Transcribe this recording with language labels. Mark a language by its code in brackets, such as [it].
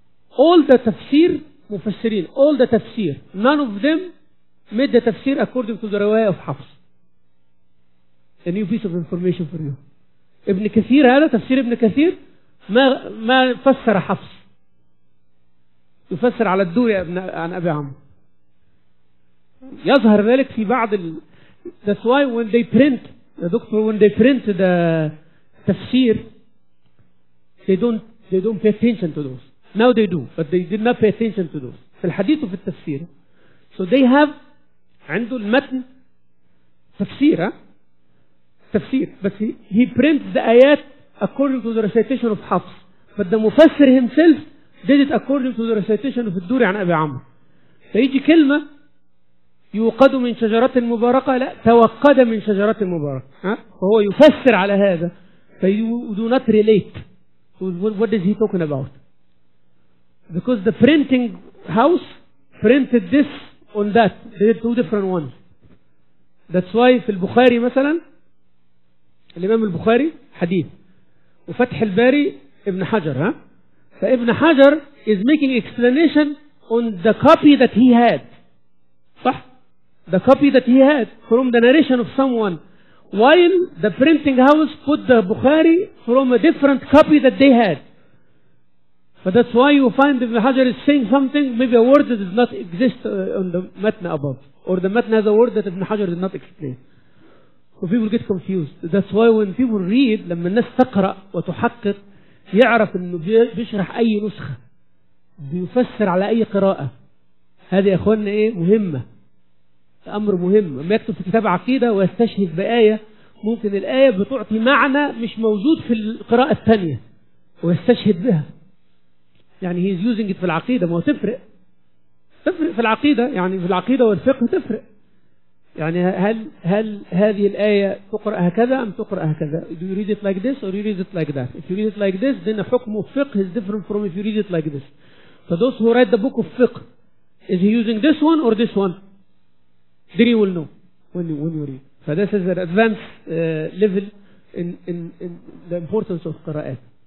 [en] All the تفسير مفسرين, all the تفسير, none of them made the تفسير according to the رواية of حفص. A new piece of information for you. [ar] ابن كثير, هذا تفسير ابن كثير, ما فسر حفص, يفسر على الدور عن أبي عمرو. يظهر ذلك في بعض ال... [en] That's why when they print the doctor, when they print the تفسير, they don't pay attention to those. Now they do, but they did not pay attention to those. [ar] في الحديث وفي التفسير. [en] So they have, [ar] عنده المتن تفسير, تفسير, [en] but he prints the آيات according to the recitation of حفص. But the مفسر himself did it according to the recitation of الدوري عن أبي عمرو. [ar] فيجي كلمة, يوقد من شجرة مباركة, لا, توقد من شجرة مباركة. فهو يفسر على هذا. فيو [en] do not relate. So what is he talking about? Because the printing house printed this on that. They are two different ones. That's why [ar] في البخاري مثلا الإمام البخاري حديث وفتح الباري ابن حجر ها؟ فابن حجر [en] is making explanation on the copy that he had. صح؟ The copy that he had from the narration of someone while the printing house put the Bukhari from a different copy that they had. But that's why you find Ibn Hajar is saying something, maybe a word that does not exist on the matna above. Or the matna has a word that Ibn Hajar did not explain. So people get confused. That's why when people read, [ar] لما الناس تقرأ وتحقق يعرف أنه بيشرح أي نسخة بيفسر على أي قراءة. هذه يا أخواننا إيه؟ مهمة. أمر مهم. لما يكتب في كتاب عقيدة ويستشهد بآية ممكن الآية بتعطي معنى مش موجود في القراءة الثانية ويستشهد بها. يعني [en] he is using it [ar] في العقيدة. ما هو تفرق، تفرق في العقيدة، يعني في العقيدة والفقه تفرق. يعني هل هذه الآية تقرأ هكذا أم تقرأ هكذا؟ [en] Do you read it like this or you read it like that? If you read it like this then حكم الفقه is different from if you read it like this. So those who write the book of fiqh, is he using this one or this one? Then you will know when you read. So this is an advanced level in the importance of قراءات.